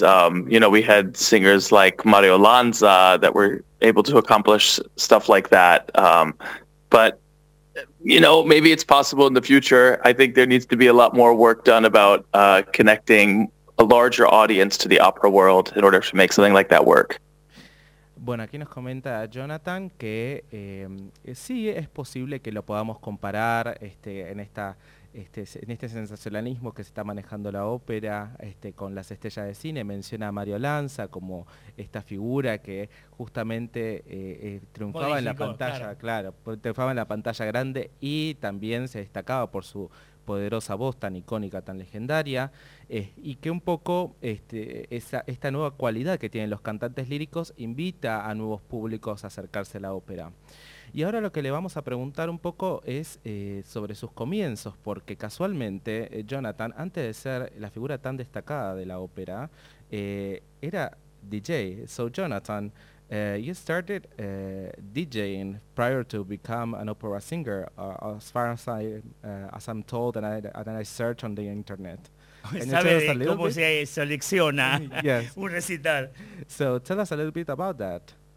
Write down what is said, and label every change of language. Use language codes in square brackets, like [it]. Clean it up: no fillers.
[en] You know, we had singers like Mario Lanza that were able to accomplish stuff like that. But you know, maybe it's possible in the future. I think there needs to be a lot more work done about connecting a larger audience to the opera world in order to make something like that work. [es] Bueno, aquí nos comenta Jonathan que sí es posible que lo podamos comparar en este sensacionalismo que se está manejando la ópera con las estrellas de cine. Menciona a Mario Lanza como esta figura que justamente triunfaba Político, en la pantalla, claro, triunfaba en la pantalla grande y también se destacaba por su poderosa voz tan icónica, tan legendaria, y que un poco esta nueva cualidad que tienen los cantantes líricos invita a nuevos públicos a acercarse a la ópera. Y ahora lo que le vamos a preguntar un poco es sobre sus comienzos, porque casualmente Jonathan, antes de ser la figura tan destacada de la ópera, era DJ. [en] So Jonathan, you started DJing prior to become an opera singer, as far as I'm told, and I searched on the internet. [es] ¿Sabes cómo se selecciona un recital? [en] So tell us a little bit about that.